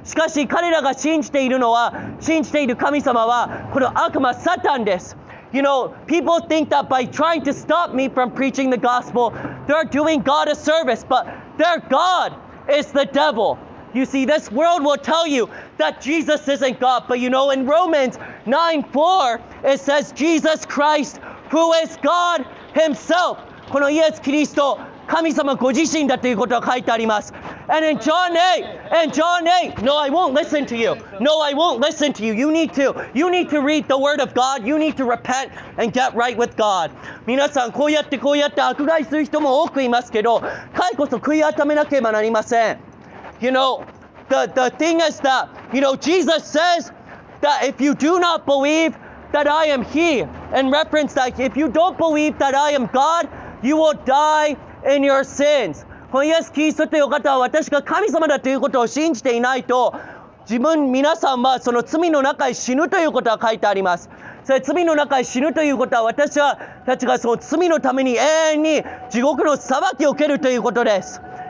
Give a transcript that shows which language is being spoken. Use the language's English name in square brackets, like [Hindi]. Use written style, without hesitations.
[Japanese] しかし彼らが信じている神様はこの悪魔サタンです。 [English] You know, people think that by trying to stop me from preaching the gospel, they're doing God a service, but their God is the devil. You see, this world will tell you that Jesus isn't God, but you know, in Romans 9:4, it says Jesus Christ, who is God himself. [Japanese] このイエス・キリスト、神様ご自身だということが書いてあります。 [English] And in John 8, no, I won't listen to you. No, I won't listen to you. You need to read the word of God. You need to repent and get right with God. [Japanese] 皆さん、こうやって迫害する人も多くいますけど、彼こそ悔い改めなければなりません。 [English] You know, the thing is that, you know, Jesus says that if you do not believe that I am He, in reference that if you don't believe that I am God, you will dieIn your sins. [Japanese] このイエス・キリストという方は私が神様だということを信じていないと自分皆さんはその罪の中へ死ぬということが書いてあります。それ罪の中へ死ぬということは私たちがその罪のために永遠に地獄の裁きを受けるということです。